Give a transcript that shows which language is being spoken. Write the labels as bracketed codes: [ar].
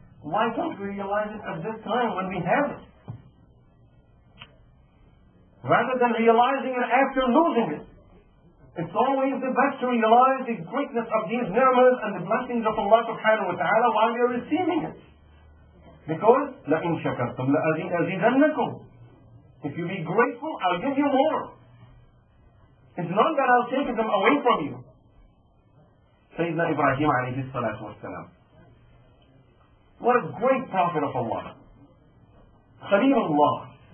[en] Why don't we realize it at this time when we have it? Rather than realizing it after losing it. It's always the best to realize the greatness of these ni'mas and the blessings of Allah subhanahu wa ta'ala while you're receiving it. [ar] Because, لَإِن شَكَرْتُمْ لَأَزِيدَنَّكُمْ. [en] If you be grateful, I'll give you more. It's not that I'll take them away from you. Sayyidina Ibrahim alayhi salatu wasalam. What a great prophet of Allah. Khalilullah.